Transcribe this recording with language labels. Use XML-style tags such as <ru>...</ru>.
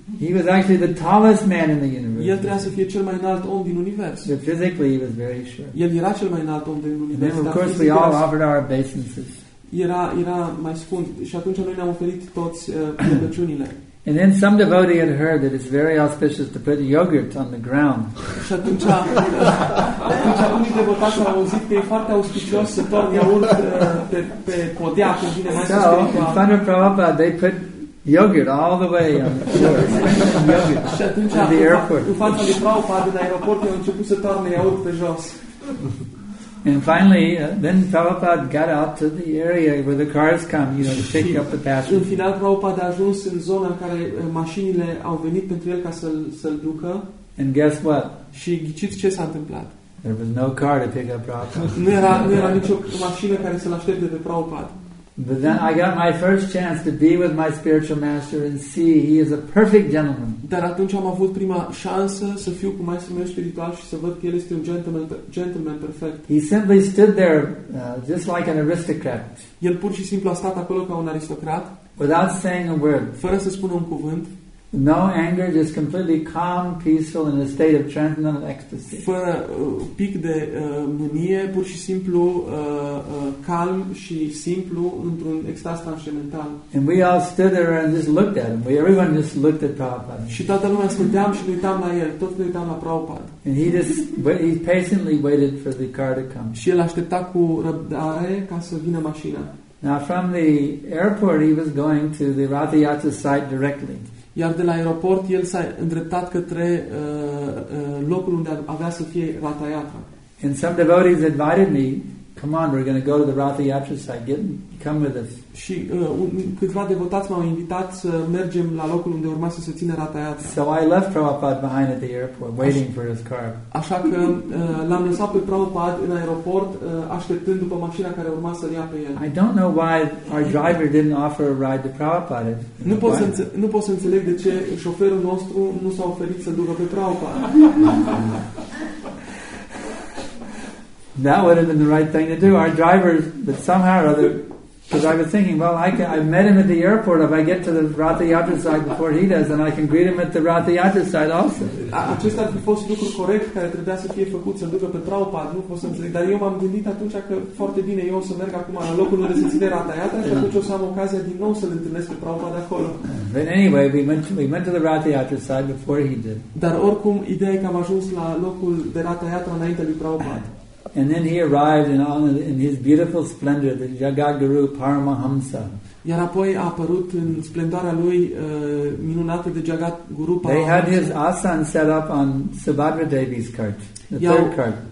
<en>He was actually the tallest man in the universe.</en> <ro>El trebuia să fie cel mai înalt om din univers.</ro> <en>But physically he was very short.</en> <ro>El era cel mai înalt om din univers.</ro> <en>And then, of course, we all offered our obeisances.</en> <ro>Era mai scund și atunci noi ne-am oferit toți plecăciunile.</ro> <en>And then some devotee had heard that it's very auspicious to put yogurt on the ground.</en> <ro>Și atunci unii devotați au auzit că e foarte auspicios să torni iaurt pe podea, cum vine mai spiritual.</ro> <en>So, in front of Prabhupada, they put yogurt all the way on the yogurt in the airport.</en> <ro>În fața lui Prabhupada, din aeroport, au început să torni iaurt pe jos.</ro> <en>And finally, then Prabhupada got out to the area where the cars come, you know, to pick up the passengers.</en> <ro>În final, Prabhupada a ajuns în zona în care mașinile au venit pentru el ca să-l ducă.</ro> <en>And guess what?</en> <ro>Și ghiciți ce s-a întâmplat?</ro> <en>There was no car to pick up Prabhupada.</en> <ro>Nu era nicio mașină care să-l aștepte de Prabhupada.</ro> <en>But then I got my first chance to be with my spiritual master and see he is a perfect gentleman.</en> <ro>Dar atunci am avut prima șansă să fiu cu maestrul meu spiritual și să văd că el este un gentleman perfect.</ro> <en>He simply stood there just like an aristocrat.</en> <ro>El pur și simplu a stat acolo ca un aristocrat.</ro> <en>Without saying a word.</en> <ro>Fără să spună un cuvânt.</ro> <en>No anger, just completely calm, peaceful, in a state of transcendental ecstasy.</en> <ro>Fără pic de mânie, pur și simplu calm și simplu într-un extaz transcendental.</ro> <en>And we all stood there and just looked at him. Everyone just looked at Prabhupada.</en> <ro>Și toată lumea stăteam și ne uitam la el, toți ne uitam la Prabhupada.</ro> <en>And he patiently waited for the car to come.</en> <ro>Și el aștepta cu răbdare ca să vină mașina.</ro> <en>Now from the airport he was going to the Radha Yatra site directly.</en> <ro>Iar de la aeroport el s-a îndreptat către locul unde avea să fie Radha Yatra.</ro> <en>And some devotees invited me, come on, we're going to go to the Radha Yatra site, come with us.</en> <ro>Și câțiva devotați m-au invitat să mergem la locul unde urma să se țină Radha Yatra.</ro> <en>So I left Prabhupada behind at the airport, waiting for his car.</en> <ro>Așa că l-am lăsat pe Prabhupada în aeroport, așteptând după mașina care urma să-l ia pe el.</ro> <en>I don't know why our driver didn't offer a ride to Prabhupada.</en> <ro>Nu pot să înțeleg de ce șoferul nostru nu s-a oferit să ducă pe Prabhupada.</ro> <en>That would have been the right thing to do. Our drivers, but somehow or other, because I was thinking, well, I met him at the airport. If I get to the Radha Yatra side before he does, then I can greet him at the Radha Yatra side also.</en> <ro>Acesta ar fi fost lucru corect care trebuia să fie făcut, să-l ducă pe Prabhupada, nu pot să înțeleg. Dar eu m-am gândit atunci că foarte bine, eu o să merg acum la locul unde se ține Radha Yatra și atunci o să am ocazia din nou să-l întâlnesc pe Prabhupada acolo.</ro> <en>But anyway, we went to the Radha Yatra side before he did.</en> <ro>Dar oricum, ideea e că am ajuns la locul de Radha Yatra înainte lui Prabhupada.</ro> <en>And then he arrived in his beautiful splendor, the Jagadguru Paramahamsa.</en> <ro>Iar apoi a apărut în splendoarea lui minunată de Jagadguru Paramahamsa.</ro> <en>They had his asan set up on Subhadra Devi's cart, the third cart.</en>